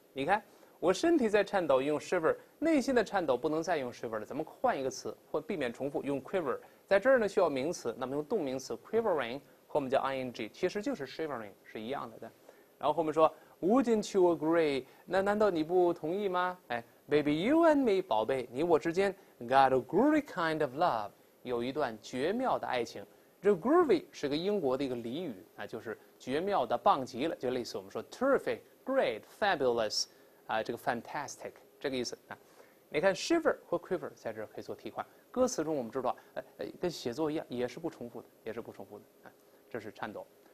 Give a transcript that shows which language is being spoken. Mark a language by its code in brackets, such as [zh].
[zh] 你看，我身体在颤抖，用 shiver， 内心的颤抖不能再用 shiver 了，咱们换一个词，或避免重复，用 quiver。在这儿呢需要名词，那么用动名词 quivering 和我们叫 ing， 其实就是 shivering 是一样的。然后后面说 [en] wouldn't you agree， [zh] 那难道你不同意吗？ [en] 哎 baby you and me， [zh] 宝贝你我之间 [en] got a groovy kind of love， [zh] 有一段绝妙的爱情。这 groovy 是个英国的一个俚语啊，就是绝妙的，棒极了，就类似我们说 terrific， great， fabulous， 啊，这个 fantastic 这个意思啊。你看 shiver 和 quiver 在这儿可以做替换，歌词中我们知道，跟写作一样，也是不重复的，也是不重复的，这是颤抖。